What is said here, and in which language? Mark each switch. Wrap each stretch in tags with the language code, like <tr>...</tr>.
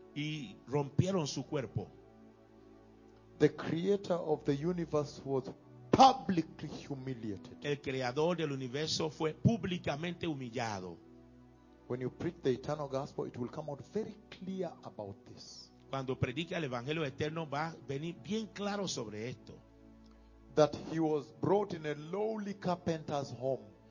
<es>Y rompieron su cuerpo.</es> <en>The creator of the universe was publicly humiliated.</en> <es>El creador del universo fue públicamente humillado.</es> <en>When you preach the eternal gospel, it will come out very clear about this.</en> <es>Cuando predique el evangelio eterno va a venir bien claro sobre esto.</es> <en>That he was brought in a lowly carpenter's home.</en>